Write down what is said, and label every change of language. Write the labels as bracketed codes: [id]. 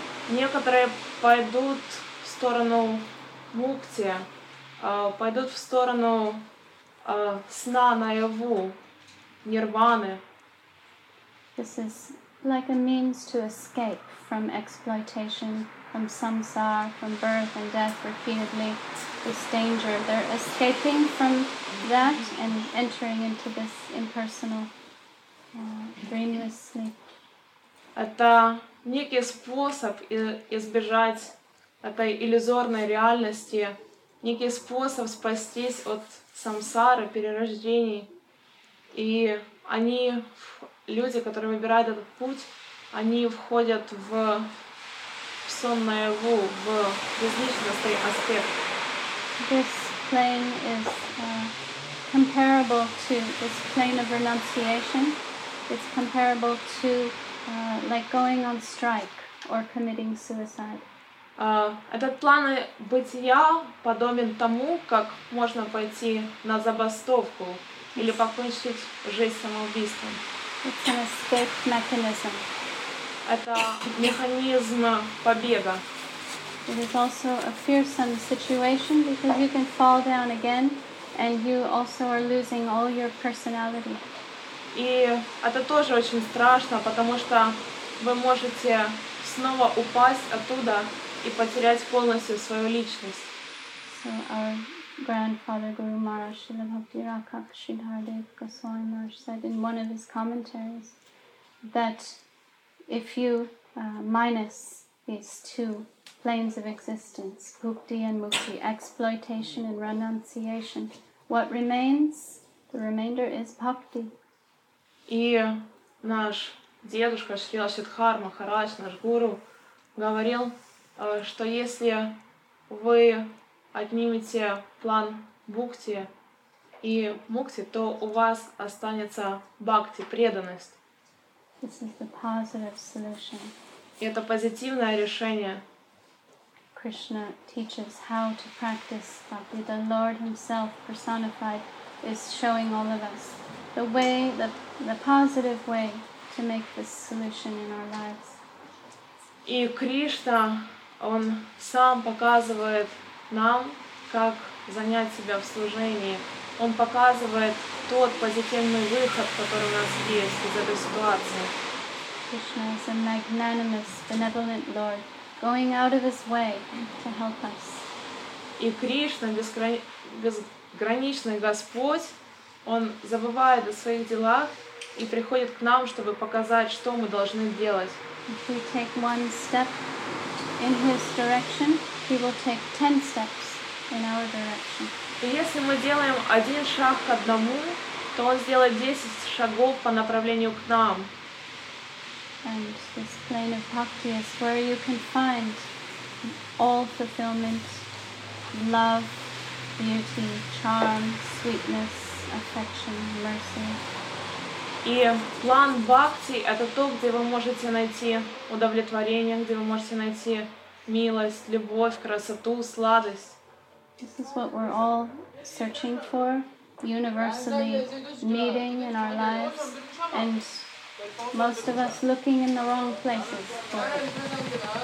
[ru] Некоторые пойдут в сторону мукти, пойдут в сторону сна наяву, нирваны. [en] This is like a means to escape from exploitation, from samsara, from birth and death repeatedly. this danger. They're escaping from that and entering into this impersonal dreamless sleep. [ru] Это некий способ избежать этой иллюзорной реальности, некий способ спастись от самсары, перерождений. И они, люди, которые выбирают этот путь, они входят в сон наяву, в безличностный аспект. [en] This plane is comparable to this plane of renunciation. It's comparable to like going on strike or committing suicide. [ru] Этот план бытия подобен тому, как можно пойти на забастовку или покончить жизнь самоубийством. [en] It's an escape mechanism. [ru] Это механизм побега. [en] It is also a fearsome situation because you can fall down again and you also are losing all your personality. [ru] И это тоже очень страшно, потому что вы можете снова упасть оттуда и потерять полностью свою личность. [en] So our grandfather Guru Maharaj Srila Bhakti Rakak Sridhardev Goswami Maharaj said in one of his commentaries that if you minus these two planes of existence, bhukti and mukti, exploitation and renunciation, what remains? The remainder is bhakti. [ru] И наш дедушка Шрила Сиддхар Махарадж, наш гуру, говорил, что если вы отнимете план бхукти и мукти, то у вас останется бхакти, преданность. [en] This is the positive solution. [ru] И это позитивное решение. [en] Krishna teaches how to practice bhakti. The Lord Himself personified is showing all of us the way, the positive way to make this solution in our lives. [ru] И Кришна, Он сам показывает нам, как занять себя в служении. Он показывает тот позитивный выход, который у нас есть из этой ситуации. [en] Krishna is a magnanimous, benevolent Lord, going out of His way to help us. [ru] И Кришна, безграничный Господь, Он забывает о своих делах и приходит к нам, чтобы показать, что мы должны делать. [en] If we take one step in His direction, He will take 10 steps in our direction. [ru] И если мы делаем один шаг к одному, то Он сделает 10 шагов по направлению к нам. [en] And this plane of bhakti is where you can find all fulfillment, love, beauty, charm, sweetness, affection, mercy. [ru] И план бхакти — это то, где вы можете найти удовлетворение, где вы можете найти милость, любовь, красоту, сладость. [en] This is what we're all searching for, universally meeting in our lives, and most of us looking in the wrong places.